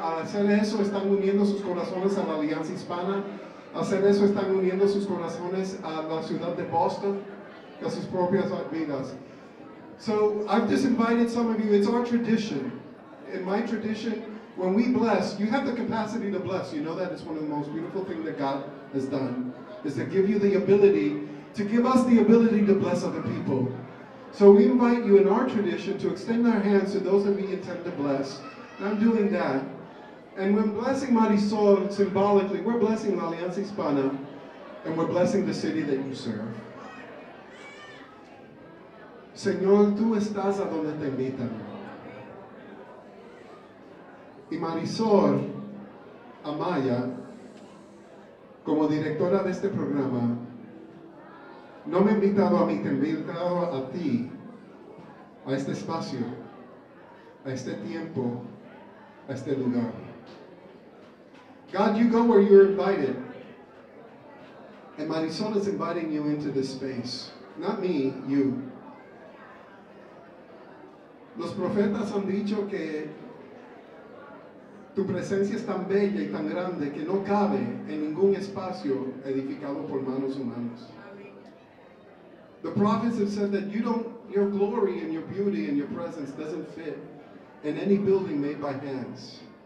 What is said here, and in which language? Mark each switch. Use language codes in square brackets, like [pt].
[es] Al hacer eso, están uniendo sus corazones a la Alianza Hispana. Al hacer eso, están uniendo sus corazones a la ciudad de Boston, a sus propias vidas. [en] So, I've just invited some of you. It's our tradition. In my tradition, when we bless, you have the capacity to bless. You know that it's one of the most beautiful things that God has done, is to give you the ability, to give us the ability to bless other people. So we invite you in our tradition to extend our hands to those that we intend to bless. And I'm doing that. And when blessing Marisol, symbolically, we're blessing La Alianza Hispana, and we're blessing the city that you serve. [es] Señor, tú estás a donde te invitan. Y Marisol Amaya, como directora de este programa, no me ha invitado a mí, te ha invitado a ti, a este espacio, a este tiempo, a este lugar. [en] God, you go where you're invited. And Marisol is inviting you into this space. Not me, you. [es] Los profetas han dicho que tu presencia es tan bella y tan grande que no cabe en ningún espacio edificado por manos humanas. [en] The prophets have said that your glory and your beauty and your presence doesn't fit in any building made by hands.